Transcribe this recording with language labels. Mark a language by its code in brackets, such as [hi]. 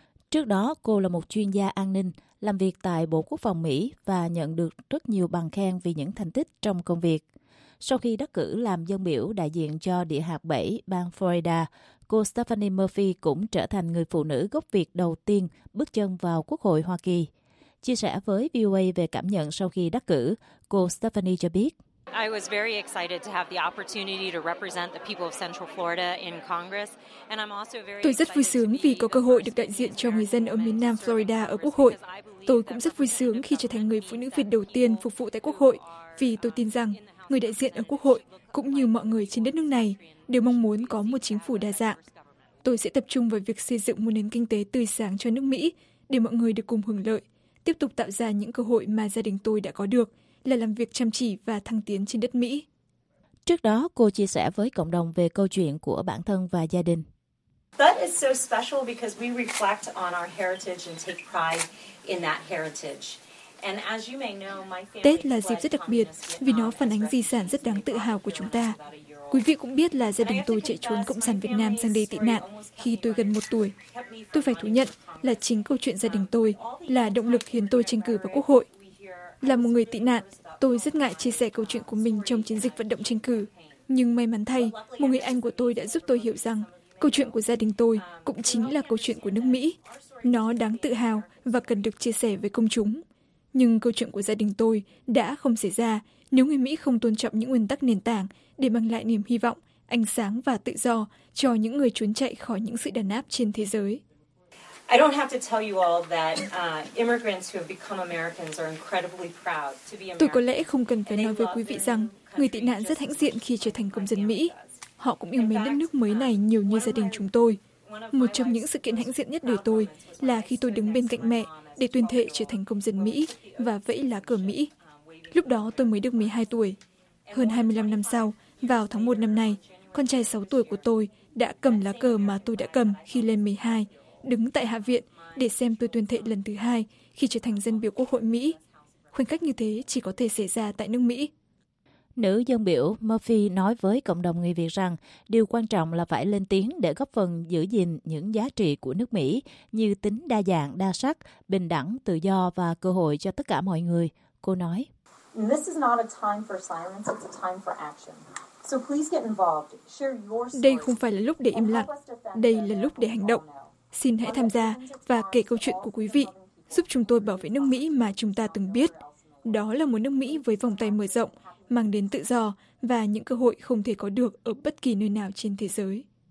[vi] Trước đó, cô là một chuyên gia an ninh, làm việc tại Bộ Quốc phòng Mỹ và nhận được rất nhiều bằng khen vì những thành tích trong công việc. Sau khi đắc cử làm dân biểu đại diện cho địa hạt 7 bang Florida, cô Stephanie Murphy cũng trở thành người phụ nữ gốc Việt đầu tiên bước chân vào Quốc hội Hoa Kỳ. Chia sẻ với VOA về cảm nhận sau khi đắc cử, cô Stephanie cho biết: [en] I was very excited to have the opportunity to represent the people of Central Florida in Congress, and I'm also very. [vi] Tôi rất vui sướng vì có cơ hội được đại diện cho người dân ở miền Nam Florida ở Quốc hội. Tôi cũng rất vui sướng khi trở thành người phụ nữ Việt đầu tiên phục vụ tại Quốc hội, vì tôi tin rằng người đại diện ở Quốc hội cũng như mọi người trên đất nước này đều mong muốn có một chính phủ đa dạng. Tôi sẽ tập trung vào việc xây dựng một nền kinh tế tươi sáng cho nước Mỹ để mọi người được cùng hưởng lợi, tiếp tục tạo ra những cơ hội mà gia đình tôi đã có được, là làm việc chăm chỉ và thăng tiến trên đất Mỹ. Trước đó, cô chia sẻ với cộng đồng về câu chuyện của bản thân và gia đình. [en] That is so special because we reflect on our heritage and take pride in that heritage. And as you may know, my family. [vi] Tết là dịp rất đặc biệt vì nó phản ánh di sản rất đáng tự hào của chúng ta. Quý vị cũng biết là gia đình tôi chạy trốn Cộng sản Việt Nam sang đây tị nạn khi tôi gần một tuổi. Tôi phải thú nhận là chính câu chuyện gia đình tôi là động lực khiến tôi tranh cử vào Quốc hội. Là một người tị nạn, tôi rất ngại chia sẻ câu chuyện của mình trong chiến dịch vận động tranh cử. Nhưng may mắn thay, một người anh của tôi đã giúp tôi hiểu rằng câu chuyện của gia đình tôi cũng chính là câu chuyện của nước Mỹ. Nó đáng tự hào và cần được chia sẻ với công chúng. Nhưng câu chuyện của gia đình tôi đã không xảy ra nếu người Mỹ không tôn trọng những nguyên tắc nền tảng để mang lại niềm hy vọng, ánh sáng và tự do cho những người trốn chạy khỏi những sự đàn áp trên thế giới. [en] I don't have to tell you all that immigrants who have become Americans are incredibly proud to be. [vi] Tôi có lẽ không cần phải nói với quý vị rằng người tị nạn rất hãnh diện khi trở thành công dân Mỹ. Họ cũng yêu mến đất nước mới này nhiều như gia đình chúng tôi. Một trong những sự kiện hãnh diện nhất đời tôi là khi tôi đứng bên cạnh mẹ để tuyên thệ trở thành công dân Mỹ và vẫy lá cờ Mỹ. Lúc đó tôi mới được 12 tuổi. Hơn 25 năm sau, vào tháng 1 năm nay, con trai 6 tuổi của tôi đã cầm lá cờ mà tôi đã cầm khi lên 12, đứng tại Hạ viện để xem tôi tuyên thệ lần thứ hai khi trở thành dân biểu Quốc hội Mỹ. Khoảnh khắc như thế chỉ có thể xảy ra tại nước Mỹ. Nữ dân biểu Murphy nói với cộng đồng người Việt rằng điều quan trọng là phải lên tiếng để góp phần giữ gìn những giá trị của nước Mỹ như tính đa dạng, đa sắc, bình đẳng, tự do và cơ hội cho tất cả mọi người. Cô nói: [en] This is not a time for silence, it's a time for action. So please get involved. Share your story. [vi] Đây không phải là lúc để im lặng, đây là lúc để hành động. Xin hãy tham gia và kể câu chuyện của quý vị, giúp chúng tôi bảo vệ nước Mỹ mà chúng ta từng biết. Đó là một nước Mỹ với vòng tay mở rộng, mang đến tự do và những cơ hội không thể có được ở bất kỳ nơi nào trên thế giới.